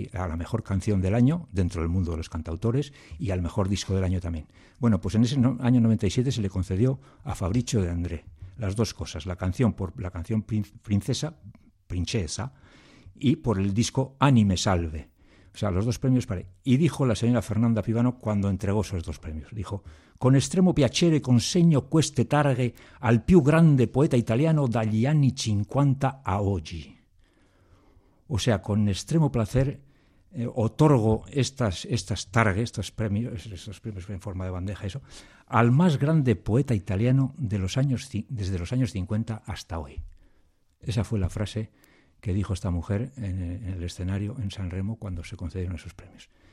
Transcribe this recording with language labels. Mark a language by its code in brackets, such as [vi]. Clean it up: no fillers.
[es] Hay a la mejor canción del año dentro del mundo de los cantautores y al mejor disco del año también. Bueno, pues en ese año 97 se le concedió a Fabricio De André las dos cosas, la canción Princesa y por el disco Anime Salve. O sea, los dos premios para él. Y dijo la señora Fernanda Pivano cuando entregó esos dos premios. Dijo, [it] con extremo piacere consegno queste targhe al più grande poeta italiano dagli anni 50 a oggi. [es] O sea, con extremo placer otorgo estas targhe, estos premios en forma de bandeja, eso, al más grande poeta italiano desde los años 50 hasta hoy. Esa fue la frase que dijo esta mujer en el escenario en San Remo cuando se concedieron esos premios.